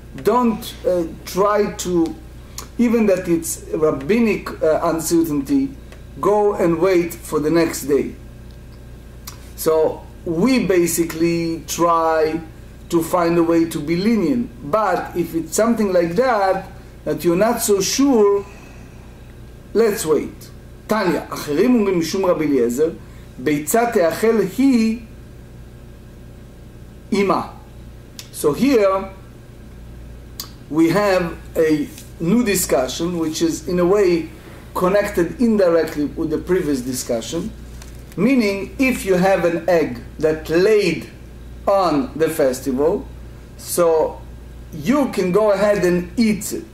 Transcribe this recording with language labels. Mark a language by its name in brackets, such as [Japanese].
[English] Don't try to, even that it's rabbinic uncertainty, go and wait for the next day. So we basically try to find a way to be lenient. But if it's something like that, that you're not so sure, let's wait. [Hebrew] Tanya, אחרים אומרים משום רבי אליעזר, ביצה תאכל היא אימא. [English] So here, we have a new discussion, which is in a way connected indirectly with the previous discussion. Meaning, if you have an egg that laid on the festival, so you can go ahead and eat it.